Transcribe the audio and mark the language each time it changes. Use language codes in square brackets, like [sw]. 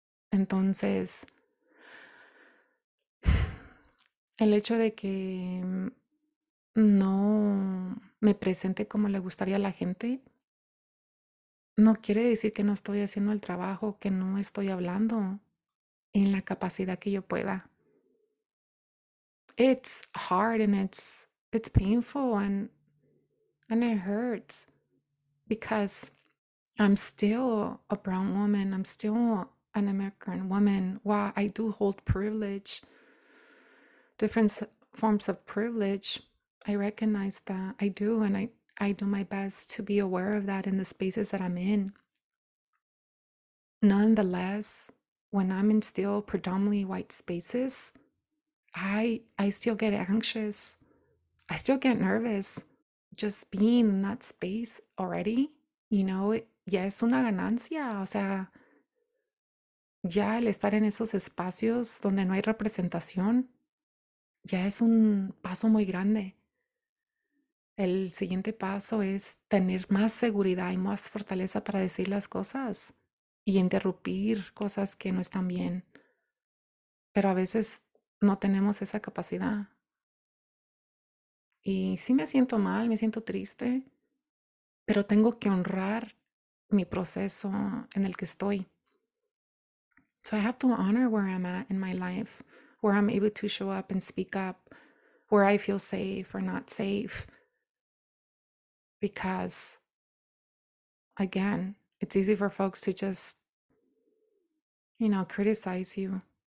[es] Entonces, el hecho de que no me presente como le gustaría a la gente, no quiere decir que no estoy haciendo el trabajo, que no estoy hablando en la capacidad que yo pueda. [en] It's hard and it's painful and it hurts because I'm still a brown woman. I'm still an American woman, while I do hold privilege, different forms of privilege, I recognize that I do, and I do my best to be aware of that in the spaces that I'm in. Nonetheless, when I'm in still predominantly white spaces, I still get anxious. I still get nervous just being in that space already. You know, [es] ya es una ganancia. O sea, ya el estar en esos espacios donde no hay representación, ya es un paso muy grande. El siguiente paso es tener más seguridad y más fortaleza para decir las cosas y interrumpir cosas que no están bien. Pero a veces no tenemos esa capacidad. Y sí me siento mal, me siento triste, pero tengo que honrar mi proceso en el que estoy. [en] So I have to honor where I'm at in my life, where I'm able to show up and speak up, where I feel safe or not safe. Because, again, it's easy for folks to just, you know, criticize you.